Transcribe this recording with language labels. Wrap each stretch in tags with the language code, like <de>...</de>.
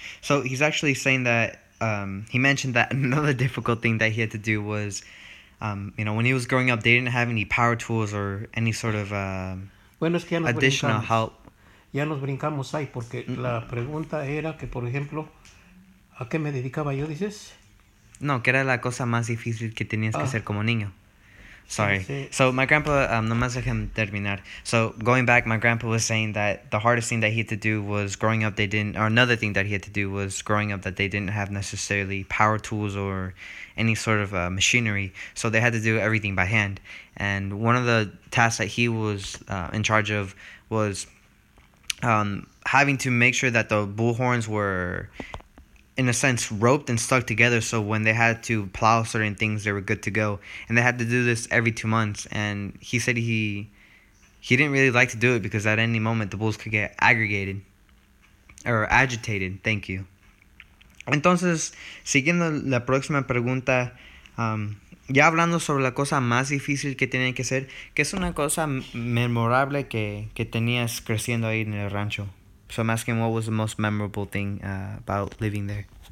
<en>So he's actually saying that he mentioned that another difficult thing that he had to do was, when he was growing up, they didn't have any power tools or any sort of additional help.</en> <es>Ya nos brincamos ahí porque la pregunta era que, por ejemplo, ¿a qué me dedicaba yo, dices? No, que era la cosa más difícil que tenías que hacer como niño.</es> <en>Sorry. So my grandpa,</en> <es>nomás dejen terminar.</es> <en>So going back, my grandpa was saying that the hardest thing that he had to do was growing up, that they didn't have necessarily power tools or any sort of machinery. So they had to do everything by hand. And one of the tasks that he was in charge of was having to make sure that the bullhorns were, in a sense, roped and stuck together, so when they had to plow certain things, they were good to go. And they had to do this every 2 months. And he said he didn't really like to do it because at any moment the bulls could get agitated. Thank you.</en> <es>Entonces, siguiendo la próxima pregunta, ya hablando sobre la cosa más difícil que tenían que hacer, ¿qué es una cosa memorable que tenías creciendo ahí en el rancho?</es> <en>So I'm asking, what was the most memorable thing about living there?</en>